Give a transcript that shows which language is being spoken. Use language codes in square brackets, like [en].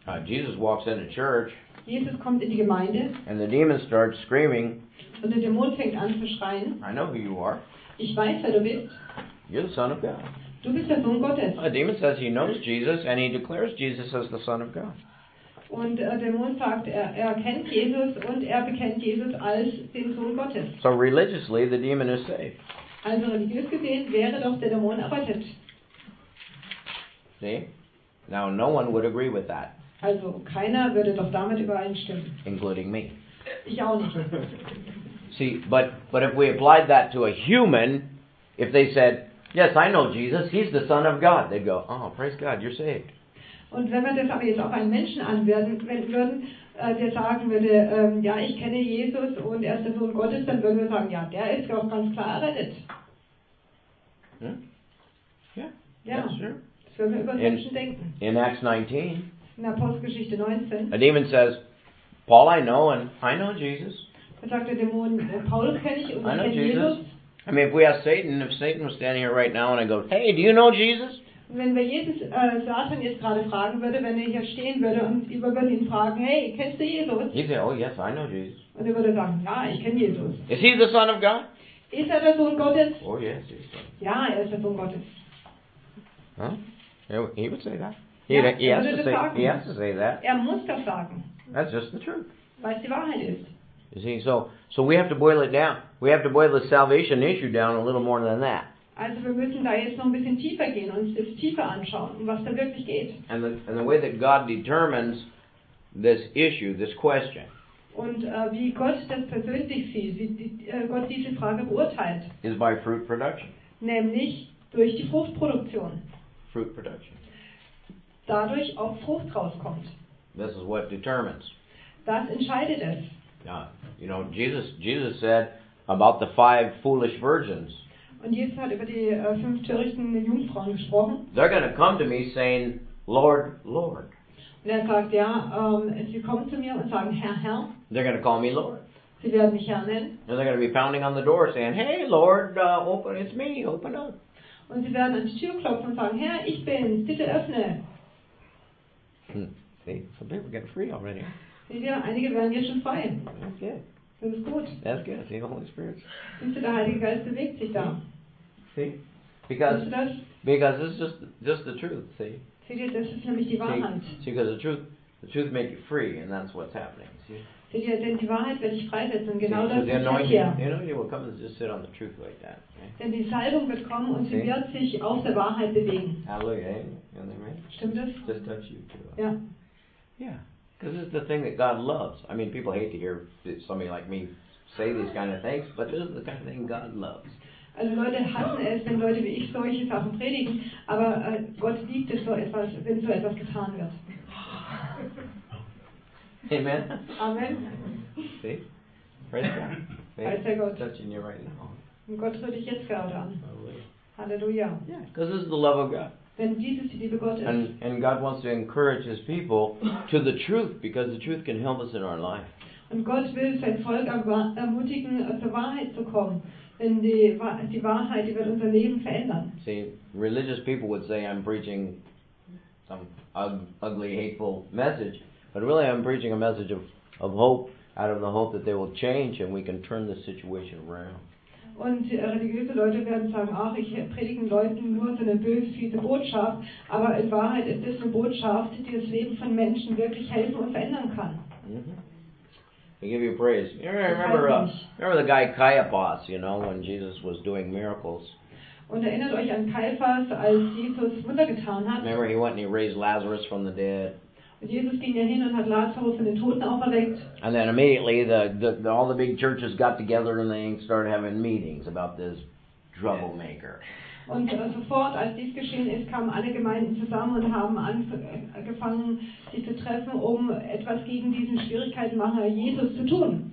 [en] Jesus walks into church, [de] Jesus kommt in die Gemeinde, [en] and the demon starts screaming, [de] und der Dämon fängt an zu schreien, [en] I know who you are. [de] Ich weiß, wer du bist. [en] You're the Son of God. [de] Du bist der Sohn Gottes. [en] The demon says he knows Jesus, and he declares Jesus as the Son of God. [de] Und der Dämon sagt, er kennt Jesus und er bekennt Jesus als den Sohn Gottes. [en] So religiously, the demon is safe. [de] Also religiös gesehen wäre doch der Dämon errettet. [en] See? Now no one would agree with that. [de] Also keiner würde doch damit übereinstimmen. [en] Including me. [de] Ich auch nicht. [en] See, but if we applied that to a human, if they said, yes, I know Jesus, he's the Son of God, they'd go, oh, praise God, you're saved. [de] Und wenn wir das aber jetzt auf einen Menschen anwenden würden, der sagen würde, ja, ich kenne Jesus und er ist der Sohn Gottes, dann würden wir sagen, ja, der ist auch ganz klar errettet. [en] Yeah. [de] Das würden wir über Menschen denken. [en] In Acts 19, [de] in Apostelgeschichte 19, [en] a demon says, Paul I know and I know Jesus. [de] Da sagt der Dämon, Paul kenne ich und ich kenne Jesus. [en] I mean, if we ask Satan, if Satan was standing here right now and I go, hey, do you know Jesus? [de] Wenn wir Jesus, Satan jetzt gerade fragen würde, wenn er hier stehen würde und über Berlin fragen, hey, kennst du Jesus? [en] He'd say, oh yes, I know Jesus. [de] Und er würde sagen, ja, ich kenne Jesus. [en] Is he the Son of God? [de] Ist er der Sohn Gottes? [en] Oh yes, he's the Son. [de] Ja, er ist der Sohn Gottes. [en] Huh? He would say that. He has to say that. [de] Er muss das sagen. [en] That's just the truth. [de] Weil es die Wahrheit ist. [en] You see, so we have to boil it down. We have to boil the salvation issue down a little more than that. [de] Also wir müssen da jetzt noch ein bisschen tiefer gehen und uns das tiefer anschauen, um was da wirklich geht. [en] And the way that God determines this issue, this question. [de] Und wie Gott das persönlich sieht, wie Gott diese Frage beurteilt. [en] Is by fruit production. [de] Nämlich durch die Fruchtproduktion. [en] Fruit production. [de] Dadurch auch Frucht rauskommt. [en] This is what determines. [de] Das entscheidet es. [en] Yeah, you know, Jesus said about the five foolish virgins. [de] Und Jesus hat über die fünf törichten Jungfrauen gesprochen. [en] They're going to come to me saying, Lord, Lord. [de] Und er sagt, ja, sie kommen zu mir und sagen, Herr, Herr. [en] They're going to call me Lord. [de] Sie werden mich Herr nennen. [en] And they're going to be pounding on the door saying, hey, Lord, open, it's me, open up. [de] Und sie werden an die Tür klopfen und sagen, Herr, ich bin's, bitte öffne. [en] See, some people get free already. [de] Ja, einige werden jetzt schon frei. [en] Okay. [de] Das ist gut. [en] That's good. See, the Holy Spirit. [de] Siehst du, der Heilige Geist bewegt sich da. [en] See? Because this is just the truth. See? [de] Seht ihr, das ist nämlich die Wahrheit. [en] See, because the truth makes you free, and that's what's happening. [de] Seht ihr, denn die Wahrheit wird dich freisetzen. Genau das ist hier. [en] The anointing will come and just sit on the truth like that. Right? [de] Denn die Salbung wird kommen und sie wird sich auf der Wahrheit bewegen. [en] Hallelujah. You know what I mean? [de] Stimmt das? [en] Just touch you too. [de] Ja. [en] Yeah. This is the thing that God loves. I mean, people hate to hear somebody like me say these kind of things, but this is the kind of thing God loves. [de] Also Leute hassen es, wenn Leute wie ich solche Sachen predigen, aber Gott liebt es, wenn so etwas getan wird. Amen. Amen. [en] See? Praise God. Praise touching you right now. [de] Und Gott rührt dich jetzt gerade an. Halleluja. [en] Yeah, because this is the love of God. [de] Denn dies ist die Liebe Gottes. [en] And God wants to encourage his people to the truth, because the truth can help us in our life. [de] Und Gott will sein Volk ermutigen, zur Wahrheit zu kommen. Denn die Wahrheit, die wird unser Leben verändern. [en] See, religious people would say I'm preaching some ugly, hateful message. But really I'm preaching a message of hope, out of the hope that they will change and we can turn the situation around. [de] Und religiöse Leute werden sagen, ach, ich predige Leuten nur so eine böse, fiese Botschaft. Aber in Wahrheit ist es eine Botschaft, die das Leben von Menschen wirklich helfen und verändern kann. [en] Mm-hmm. I give you praise. Remember the guy Caiaphas, you know, when Jesus was doing miracles. [de] Und erinnert euch an Caiaphas, als Jesus Wunder getan hat. [en] Remember, he went and he raised Lazarus from the dead. [de] Und Jesus ging ja hin und hat Lazarus von den Toten auferweckt. [en] And then immediately the all the big churches got together and they started having meetings about this troublemaker. [de] Und sofort, als dies geschehen ist, kamen alle Gemeinden zusammen und haben angefangen, sich zu treffen, um etwas gegen diesen Schwierigkeitenmacher Jesus zu tun.